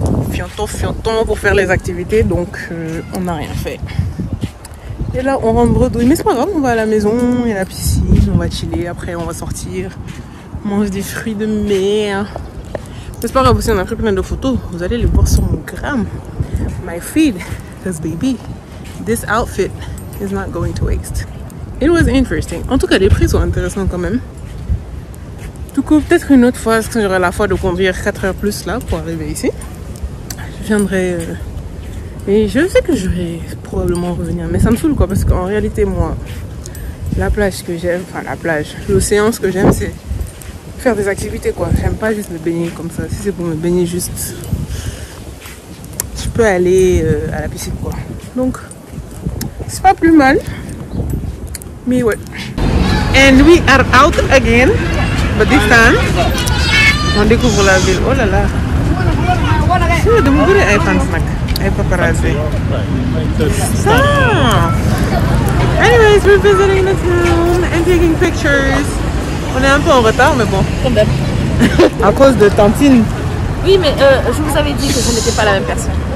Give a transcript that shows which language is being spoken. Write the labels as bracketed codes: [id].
[fr] Fiantons pour faire les activités, donc on n'a rien fait. Et là, on rentre bredouille, mais c'est pas grave, on va à la maison, il y a la piscine, on va chiller, après on va sortir, manger des fruits de mer. C'est pas grave aussi, on a pris plein de photos, vous allez les voir sur mon gram. [en] My feed, this baby, this outfit is not going to waste. It was interesting. [fr] En tout cas, les prix sont intéressants quand même. Du coup, peut-être une autre fois, parce que j'aurai la foi de conduire 4 heures plus là pour arriver ici. Je viendrai... Et je sais que je vais probablement revenir, mais ça me saoule quoi, parce qu'en réalité, moi, la plage que j'aime, enfin la plage, l'océan, ce que j'aime, c'est faire des activités quoi. J'aime pas juste me baigner comme ça. Si c'est pour me baigner juste, je peux aller à la piscine quoi. Donc, c'est pas plus mal, mais ouais. [en] And we are out again, but this time, [fr] on découvre la ville. Oh là là, c'est de mon goût, un fan snack. Et paparazzi. Ça! [en] Anyways, we're visiting the town and taking pictures. [fr] On est un peu en retard, mais bon. À cause de Tantine. Oui, mais je vous avais dit que je n'étais pas la même personne.